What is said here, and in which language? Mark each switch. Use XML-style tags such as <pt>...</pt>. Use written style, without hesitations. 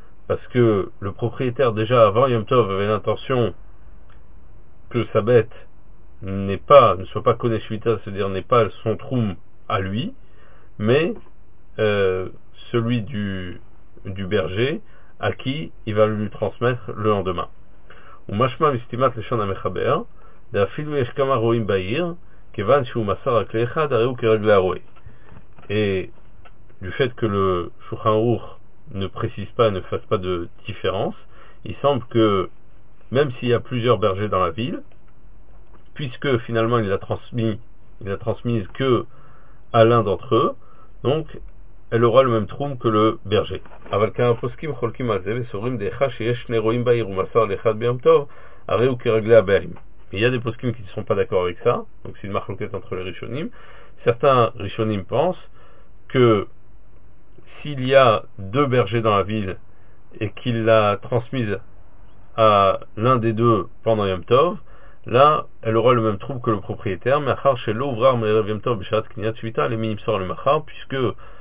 <fr>Parce que le propriétaire déjà avant yom tov avait l'intention que sa bête ne soit pas kone shvita, c'est-à-dire n'est pas son troum à lui, mais celui du berger à qui il va lui transmettre le lendemain.</fr> <he>ומשמע מסתימת לשון המחבר, ואפילו יש כמה רועים בעיר, כיוון שהוא מסר רק לאחד, הרי הוא כרגלי הרועה.</he> <fr>Et du fait que le Shulchan Aruch ne précise pas, ne fasse pas de différence, il semble que, même s'il y a plusieurs bergers dans la ville, puisque finalement il l'a transmise que à l'un d'entre eux, donc elle aura le même troum que le berger.</fr> <he>אבל כאן הפוסקים חולקים על זה וסורים דאחה שיש שני רועים בעיר ומסר לאחד ביום טוב, הרי הוא כרגלי הבעלים.</he> <fr>Il y a des פוסקים qui ne sont pas d'accord avec ça, donc c'est une מחלוקת entre les ראשונים. Certains ראשונים pensent que s'il y a deux bergers dans la ville et qu'il l'a transmise à l'un des deux pendant Yom Tov, là, elle aura le même trouble que le propriétaire, mais</fr> <he>אחר שלא הוברר מערב יום טוב בשעת קניית שביתה למי נמסור למחר,</he> <fr>puisque</fr>